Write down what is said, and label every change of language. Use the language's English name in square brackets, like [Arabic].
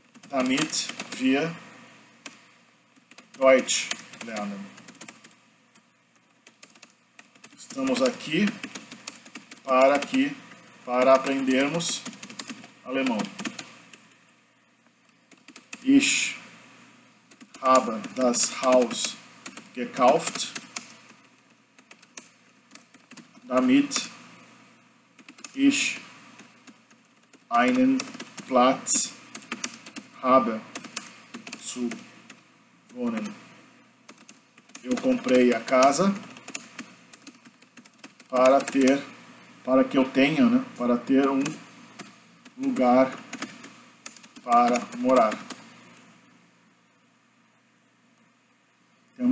[German] Damit wir Deutsch lernen. [Portuguese] Estamos aqui para aprendermos alemão. [German] Ich habe das Haus gekauft. Damit ich einen Platz habe zu wohnen. [Portuguese] Eu comprei a casa para ter um lugar para morar. Tem